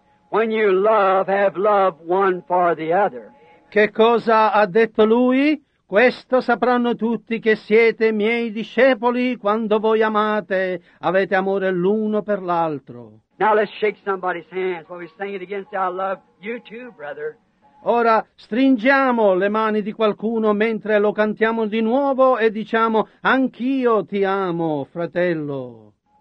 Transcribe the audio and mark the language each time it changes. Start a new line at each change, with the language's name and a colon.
English: When you love, have love one for the other.
Italian: Che cosa ha detto lui? Questo sapranno tutti che siete miei discepoli. Quando voi amate, avete amore l'uno per l'altro.
English: Now let's shake somebody's hands while we sing it again. I love you too, brother.
Italian: Ora stringiamo le mani di qualcuno mentre lo cantiamo di nuovo e diciamo anch'io ti amo, fratello.